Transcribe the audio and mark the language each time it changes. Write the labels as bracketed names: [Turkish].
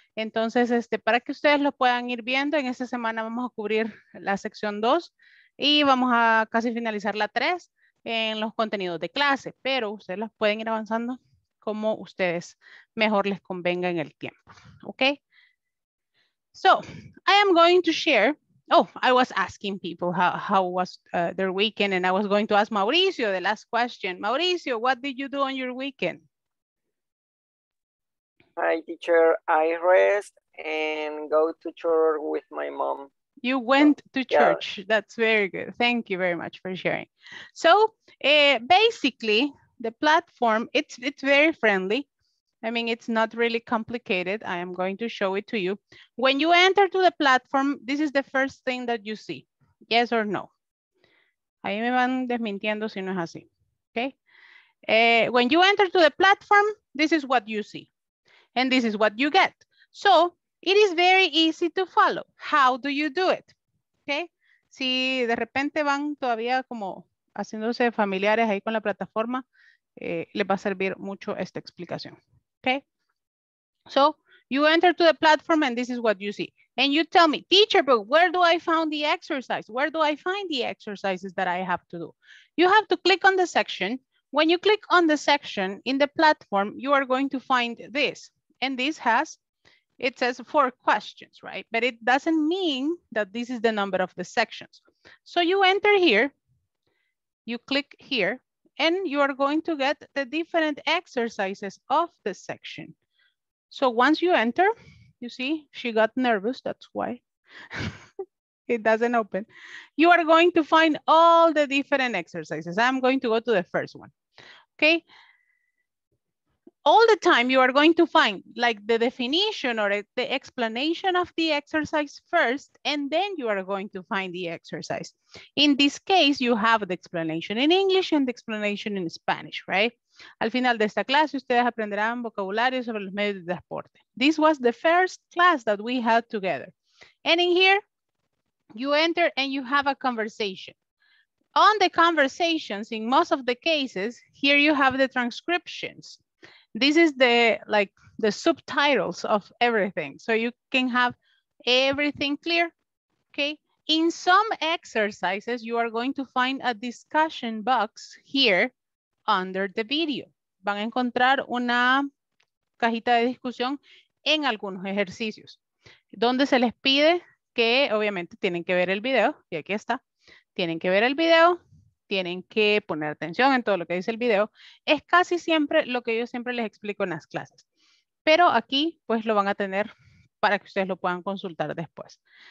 [Spanish] Entonces, para que ustedes lo puedan ir viendo, en esta semana vamos a cubrir la sección 2 y vamos a casi finalizar la 3 en los contenidos de clase, pero ustedes las pueden ir avanzando como ustedes mejor les convenga en el tiempo. [English] ¿Ok? So, I am going to share... Oh, I was asking people how was their weekend, and I was going to ask Mauricio the last question. Mauricio, what did you do on your weekend? Hi, teacher. I rest and go to church with my mom. You went to church. Yeah. That's very good. Thank you very much for sharing. So basically, the platform, it's very friendly. I mean, it's not really complicated. I am going to show it to you. When you enter to the platform, this is the first thing that you see. Yes or no? [Spanish] Ahí me van desmintiendo si no es así. [English] Okay. When you enter to the platform, this is what you see. And this is what you get. So it is very easy to follow. How do you do it? Okay. [Spanish] Si de repente van todavía como haciéndose familiares ahí con la plataforma, les va a servir mucho esta explicación. [English] Okay, so you enter to the platform and this is what you see. And you tell me, teacher, but where do I find the exercise? Where do I find the exercises that I have to do? You have to click on the section. When you click on the section in the platform, you are going to find this. And this has, it says 4 questions, right? But it doesn't mean that this is the number of the sections. So you enter here, you click here, and you are going to get the different exercises of the section. So once you enter, you see, she got nervous, that's why it doesn't open. You are going to find all the different exercises. I'm going to go to the first one, okay? All the time you are going to find like the definition or the explanation of the exercise first, and then you are going to find the exercise. In this case, you have the explanation in English and the explanation in Spanish, right? [Spanish] Al final de esta clase, ustedes aprenderán vocabulario sobre los medios de transporte. [English] This was the first class that we had together. And in here, you enter and you have a conversation. On the conversations, in most of the cases, here you have the transcriptions. This is the subtitles of everything. So you can have everything clear, okay? In some exercises, you are going to find a discussion box here under the video. [Spanish] Van a encontrar una cajita de discusión en algunos ejercicios, donde se les pide que, obviamente, tienen que ver el video, y aquí está, tienen que ver el video, tienen que poner atención en todo lo que dice el video. Es casi siempre lo que yo siempre les explico en las clases. Pero aquí, pues, lo van a tener para que ustedes lo puedan consultar después.